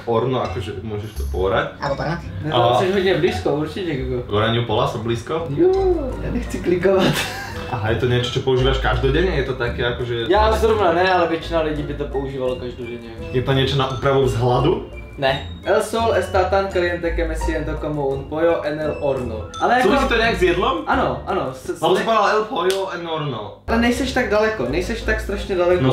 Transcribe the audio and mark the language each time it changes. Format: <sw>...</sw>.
<sk>Orno, akože môžeš to poorať. Alebo parát. Ale chceš hodne blízko, určite. K oraniu pola som blízko.</sk> <cs>Jo, ja nechci klikovať.</cs> <sk>Aha, je to niečo, čo používaš každodenne? Je to také akože... Ja zrovna ne, ale väčšina ľudí by to používalo každodenne. Je to niečo na úpravu vzhľadu?</sk> <cs>Ne.</cs> <es>El sol está tan caliente que me siento como un pollo en el horno.</es> <cs>Ale jako...</cs> <sk>Súvisí to nejak s jedlom? Áno, áno. Lebo si povedal</sk> <es>el pollo en horno.</es> <cs>Ale nejseš tak daleko, nejseš tak strašne daleko.</cs>